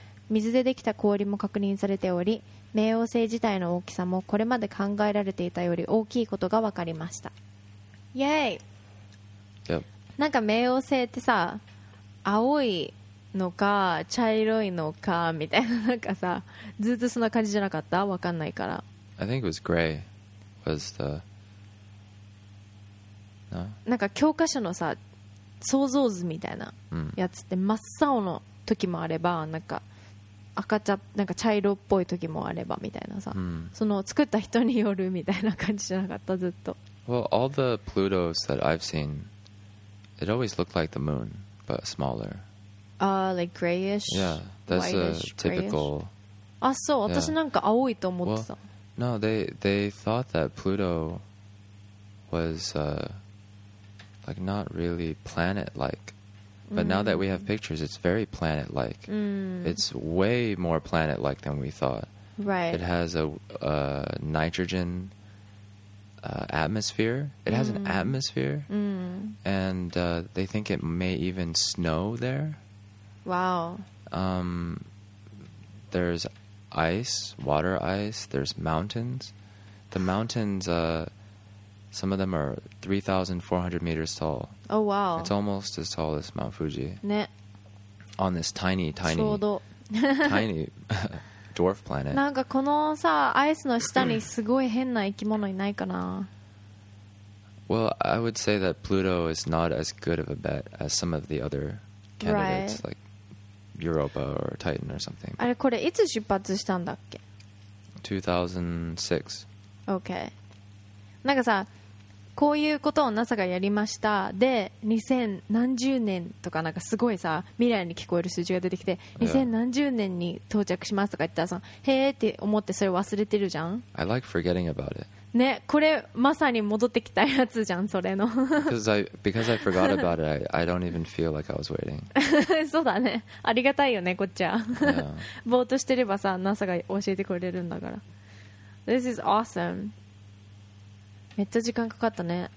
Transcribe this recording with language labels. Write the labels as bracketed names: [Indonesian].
[Japanese] 水でできた氷も確認されており、冥王星自体の大きさもこれまで考えられていたより大きいことが分かりました。イエーイ、 [English] yep. [Japanese] なんか冥王星ってさ、青いのか茶色いのかみたいな、なんかさ、ずっとそんな感じじゃなかった？分かんないから。 [English] I think it was gray was the、no? [Japanese] なんか教科書のさ、想像図みたいなやつって真っ青の時もあれば、なんか赤茶、なんか茶色っぽい時もあればみたいなさ、その作った人によるみたいな感じじゃなかった、ずっと。 [English] Well, all the Plutos that I've seen, it always looked like the moon, but smaller. Like grayish? Yeah, that's a typical... [Japanese] あ、そう、私なんか青いと思ってた。 [English] Well, no, they thought that Pluto was, like, not really planet-like. But now that we have pictures, it's very planet-like. It's way more planet-like than we thought. Right. It has a nitrogen atmosphere. It has an atmosphere. And they think it may even snow there. Wow. There's ice, water ice. There's mountains. The mountains, some of them are 3,400 meters tall. Oh, wow. It's almost as tall as Mount Fuji. [Japanese] ね。 [English] On this tiny, tiny, tiny dwarf planet. [Japanese] なんかこのさ、アイスの下にすごい変な生き物いないかな。 [English] Well, I would say that Pluto is not as good of a bet as some of the other candidates, right. like Europa or Titan or something. [Japanese] あれ、これいつ出発したんだっけ [English] ?2006. Okay. [Japanese] なんかさ、こういうことを NASA がやりました。で、2010年とか、なんかすごいさ、未来に聞こえる数字が出てきて、2010年に到着しますとか言ったらさ、へーって思ってそれ忘れてるじゃん。 [English] I like forgetting about it. [Japanese] ね、これまさに戻ってきたやつじゃん、それの。 [English] because I forgot about it, I don't even feel like I was waiting. [Japanese] そうだね、ありがたいよね、こっちは。 [English] yeah. [Japanese] ぼーっとしてればさ、 NASA が教えてくれるんだから。 [English] This is awesome. [Japanese] めっちゃ時間かかったね。